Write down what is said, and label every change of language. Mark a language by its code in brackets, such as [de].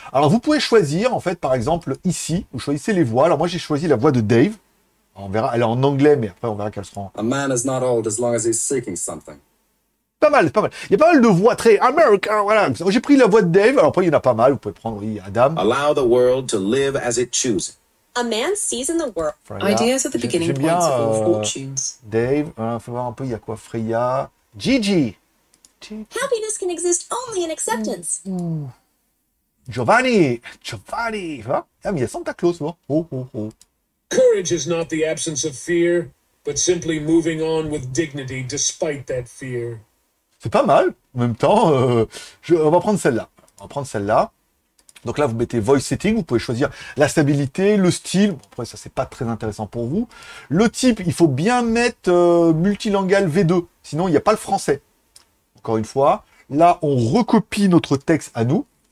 [fr] Alors, vous pouvez choisir, en fait, par exemple, ici, vous choisissez les voix. Alors, moi, j'ai choisi la voix de Dave. On verra, elle est en anglais, mais après, on verra qu'elle sera en... [en] A man is not old as long as he's seeking something. [fr] Pas mal, pas mal. Il y a pas mal de voix très American, voilà. J'ai pris la voix de Dave. Alors, après, il y en a pas mal. Vous pouvez prendre, oui, Adam. [en] Allow the world to live as it chooses. A man sees in the world. Freya. Ideas at the beginning points of all fortunes. [fr] Dave, on va voir un peu, il y a quoi, Freya. Gigi. [en] Happiness can exist only in acceptance. [fr] Giovanni, hein? Ah, mais il y a Santa Claus, non? Oh, oh, oh. [en] Courage is not the absence of fear, but simply moving on with dignity despite that fear. [fr] C'est pas mal. En même temps, on va prendre celle-là. On va prendre celle-là. Donc là, vous mettez voice setting, vous pouvez choisir la stabilité, le style. Bon, après, ça, c'est pas très intéressant pour vous. Le type, il faut bien mettre multilingual V2, sinon il n'y a pas le français. Encore une fois, là, on recopie notre texte à nous.